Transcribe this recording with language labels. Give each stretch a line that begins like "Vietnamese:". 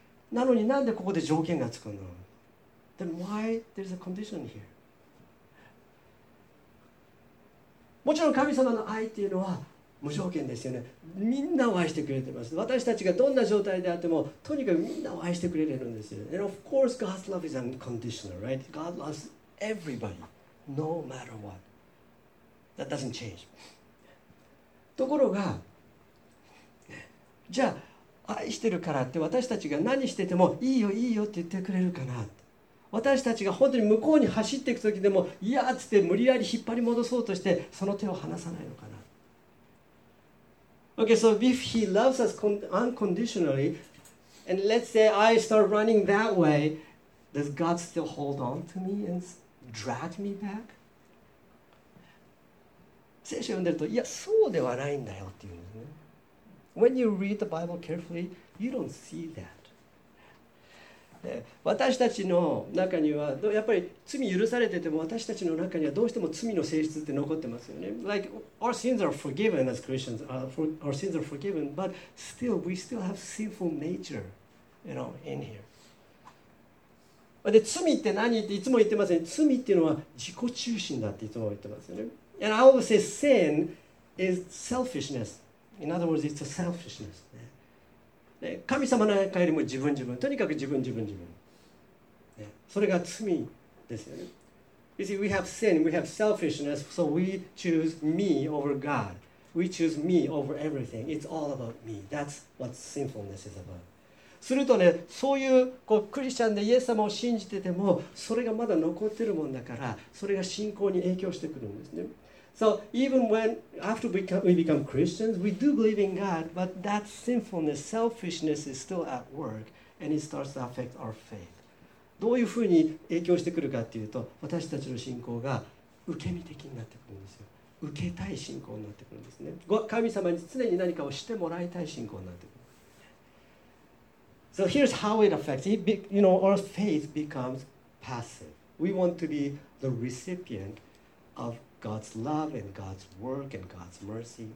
Japanese: なのになんでここで条件がつくの？
English: Then why there's a condition here?
Japanese: もちろん神様の愛っていうのは無条件ですよね。みんなを愛してくれてます。私たちがどんな状態であっても、とにかくみんなを愛してくれるんですよ。
English: And of course, God's love is unconditional, right? God loves everybody, no matter what. That doesn't change.
Japanese: ところが、じゃあ愛してるからって私たちが何しててもいいよいいよって言ってくれるかな。私たちが本当に向こうに走っていくときでも、いやっつって無理やり引っ張り戻そうとしてその手を離さないのかな。
English: Okay, so if he loves us unconditionally, and let's say I start running that way, does God still hold on to me and drag me back?
Japanese: 聖書読んでると、いや、そうではないんだよっていうんですね。
English: When you read the Bible carefully, you don't see that.
Japanese: 私たちの中には、やっぱり罪許されてても、私たちの中にはどうしても罪の性質って残ってますよね。
English: Like, our sins are forgiven as Christians. Our sins are forgiven, but still, we still have sinful nature, you know, in here.
Japanese: で、罪って何っていつも言ってますね。罪っていうのは自己中心だっていつも言ってますよね。
English: And I always say sin is selfishness. In other words, it's a selfishness. ね、
Japanese: 神様なんかよりも自分自分。とにかく自分自分自分。ね、それが罪ですよね。
English: You see, we have sin, we have selfishness, so we choose me over God. We choose me over everything. It's all about me. That's what sinfulness is about.
Japanese: するとね、そういう、こうクリスチャンでイエス様を信じてても、それがまだ残ってるもんだから、それが信仰に影響してくるんですね。
English: So even when, after we become Christians, we do believe in God, but that sinfulness, selfishness is still at work, and it starts to affect our faith.
Japanese: どういうふうに影響してくるかっていうと、私たちの信仰が受け身的になってくるんですよ。受けたい信仰になってくるんですね。神様に常に何かをしてもらいたい信仰になってくる。
English: So here's how it affects it. You know, our faith becomes passive. We want to be the recipient of God's love and God's work and God's mercy.